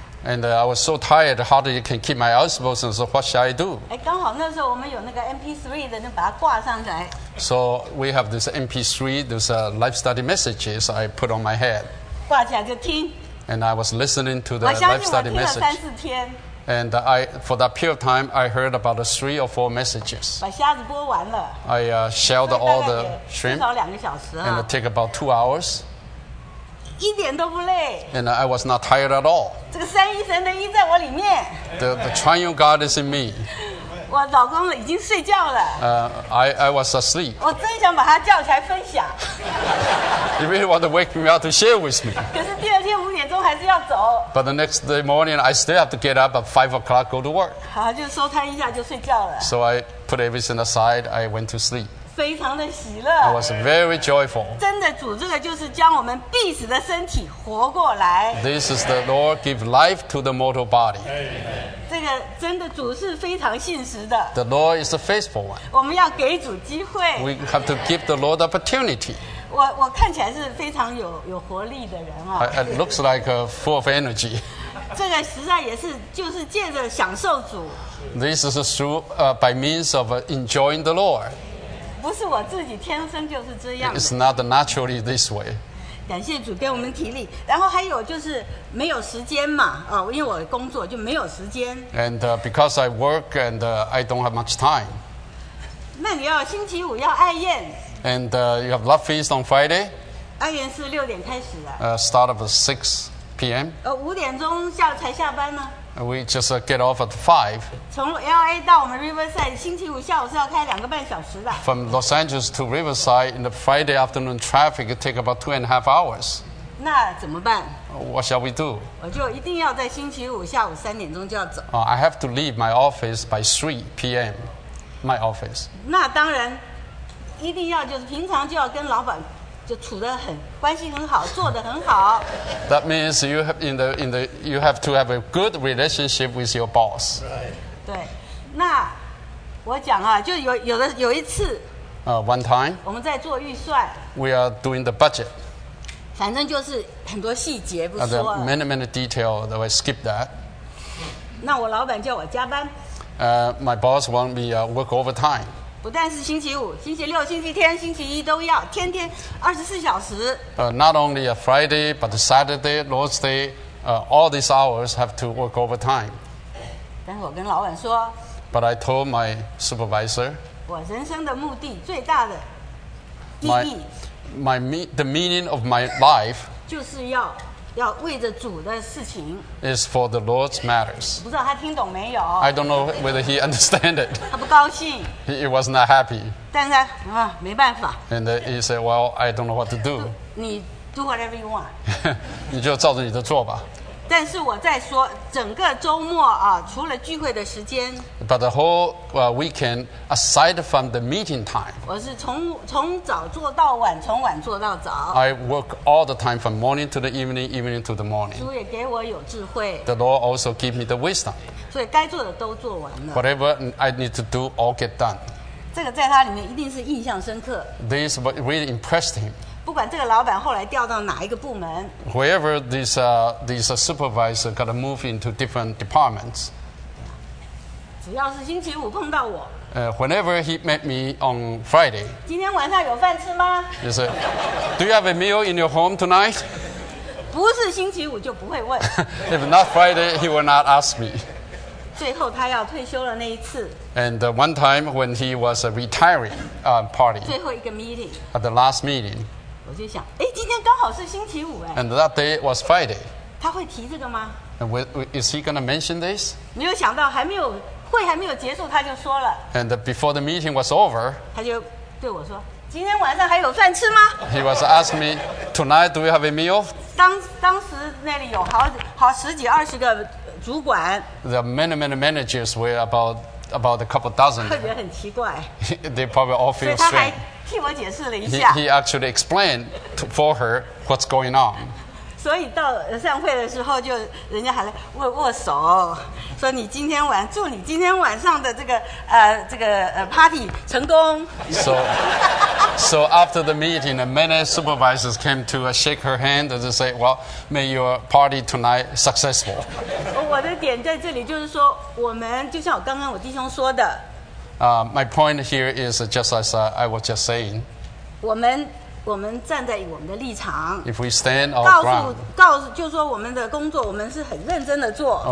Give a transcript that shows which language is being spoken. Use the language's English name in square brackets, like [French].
[English] And I was so tired, how do you can keep my eyes open? So what shall I do? [Chinese] 哎，刚好那时候我们有那个 MP3 的，那把它挂上来。 [English] So we have this MP3, those life study messages I put on my head. [Chinese] 挂起来就听。 [English] And I was listening to the life study message. [Chinese] 我相信我听了三四天。 [English] And I, for that period of time, I heard about three or four messages. [Chinese] 把虾子剥完了。 [English] I shelled all the shrimp. [Chinese] 至少两个小时啊。 [English] And it took about 2 hours. [Chinese] 一点都不累。 [English] And I was not tired at all. [Chinese] 这个三一神的一在我里面。 [English] The triune God is in me. [Chinese] 我老公已经睡觉了。 [English] I was asleep. [Chinese] 我真想把他叫起来分享。 [English] You really want to wake me up to share with me? [Chinese] 可是第二天五点钟还是要走。 [English] But the next day morning, I still have to get up at 5 o'clock, go to work. [Chinese] 好，就收摊一下就睡觉了。 [English] So I put everything aside, I went to sleep. [Chinese] 非常的喜乐 [English] I was very joyful. [Chinese] 真的主这个就是将我们必死的身体活过来 [English] This is the Lord give life to the mortal body. [Chinese] 这个真的主是非常信实的 [English] The Lord is a faithful one. [Chinese] 我们要给主机会 [English] We have to give the Lord opportunity. [Chinese] 我看起来是非常有活力的人 [English] 啊 It looks like full of energy. [Chinese] 这个实在也是就是借着享受主 [English] This is by means of enjoying the Lord. [Chinese] 不是我自己天生就是这样。 [English] It's not naturally this way. [Chinese] 感谢主给我们体力，然后还有就是没有时间嘛，因为我工作就没有时间。 [English] And because I work and I don't have much time. [Chinese] 那你要星期五要爱宴。 [English] And you have love feast on Friday. [Chinese] 爱宴是六点开始的。 [English] Start of 6 p.m. [Chinese] 五点钟下才下班呢。 [English] We just get off at 5. [Chinese] 从 LA 到我们 Riverside, 星期五下午是要开两个半小时的。 [English] From Los Angeles to Riverside, in the Friday afternoon traffic, it takes about 2.5 hours. [Chinese] 那怎么办？ [English] What shall we do? [Chinese] 我就一定要在星期五下午三点钟就要走。 [English] I have to leave my office by 3 p.m. My office. [Chinese] 那当然，一定要就是平常就要跟老板就处得很关系很好，做得很好。 [English] That means you have in the you have to have a good relationship with your boss. Right. [Chinese] 对，那我讲啊，就有一次。 [English] One time. [Chinese] 我们在做预算。 [English] We are doing the budget. [Chinese] 反正就是很多细节不说了。 [English] Many detail that I skip that. [Chinese] 那我老板叫我加班。 [English] My boss want me work overtime. [Chinese] 不但是星期五、星期六、星期天、星期一都要，天天24小时。 [English] Not only a Friday, but a Saturday, Lord's Day, all these hours have to work overtime. [Chinese] 但是我跟老板说。 [English] But I told my supervisor. [Chinese] 我人生的目的最大的意义。 [English] The meaning of my life. [Chinese] 就是要为着主的事情 [English] is for the Lord's matters. [Chinese] 不知道他听懂没有？ [English] I don't know whether he understand it. [Chinese] 他不高兴。 [English] He was not happy. [Chinese] 但是没办法。 [English] And he said, "Well, I don't know what to do." [Chinese] 你 [English] do whatever you want. [Chinese] 你就照着你的做吧。但是我在说整个周末啊，除了聚会的时间。 [English] But the whole weekend, aside from the meeting time. [Chinese] 我是从早做到晚，从晚做到早。 [English] I work all the time from morning to the evening, evening to the morning. [Chinese] 主也给我有智慧。 [English] The Lord also give me the wisdom. [Chinese] 所以该做的都做完了。 [English] Whatever I need to do, all get done. [Chinese] 这个在他里面一定是印象深刻。 [English] This really impressed him. [Chinese] 不管这个老板后来调到哪一个部门 [English] ，Whoever this supervisor got to move into different departments， [Chinese] 只要是星期五碰到我 [English] ，Whenever he met me on Friday， [Chinese] 今天晚上有饭吃吗 [English] ？He said, "Do you have a meal in your home tonight?" [Chinese] 不是星期五就不会问。 [English] If not Friday, he will not ask me。 [Chinese] 最后他要退休了那一次 [English] ，And one time when he was retiring party， [Chinese] 最后一个 meeting， [English] at the last meeting。 [Chinese] 我就想，哎，今天刚好是星期五，哎。 [English] And that day was Friday. [Chinese] 他会提这个吗 [English] ？Is he going to mention this? [Chinese] 没有想到，还没有结束，他就说了。 [English] And before the meeting was over, [Chinese] 他就对我说，今天晚上还有饭吃吗 [English] ？He was asking me, tonight do you have a meal? [Chinese] 当时那里有好十几二十个主管。 [English] The many managers were about a couple dozen. [Chinese] 特别很奇怪。 [English] They probably all feel strange. [Chinese] 替我解释了一下。 [English] He actually explained for her what's going on. [Chinese] 所以到散会的时候，就人家还来握手，说你今天晚祝你今天晚上的这个 party 成功。 [English] So after the meeting, many supervisors came to shake her hand and say, "Well, may your party tonight successful." [Chinese] 我的点在这里就是说，我们就像我刚刚我弟兄说的。 [English] My point here is just as I was just saying. [Chinese] 我们站在我们的立场。 [English] If we stand our ground, [Chinese] 告诉就说我们的工作，我们是很认真的做。